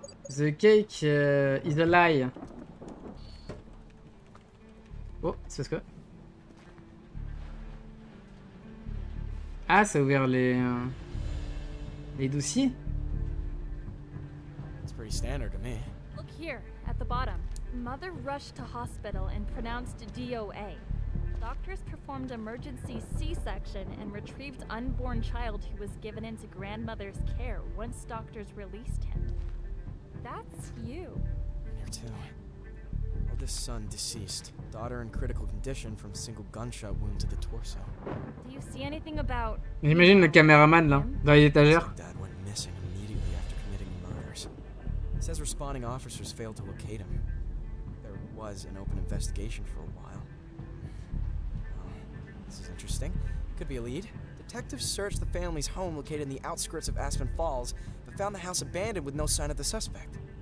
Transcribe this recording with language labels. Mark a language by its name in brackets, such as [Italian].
[English] The cake is a lie. [French] Oh, c'est ce que. Ah, ça a ouvert les dossiers. [English] It's pretty standard to me. Look here, at the bottom. Mother rushed to hospital and pronounced DOA. Doctors performed emergency C-section and retrieved unborn child who was given into grandmother's care once doctors released him. That's you. You're too. Oldest son deceased. Daughter in critical condition from single gunshot wound to the torso. Do you see anything about... Imagine the cameraman [French] là, dans les étagères. [English] Dad went missing immediately after committing murders. Says responding officers failed to locate him. There was an open investigation for a while. This is interesting. Could be a lead. Detectives searched the family's home located in the outskirts of Aspen Falls, but found the house abandoned with no sign of the suspect.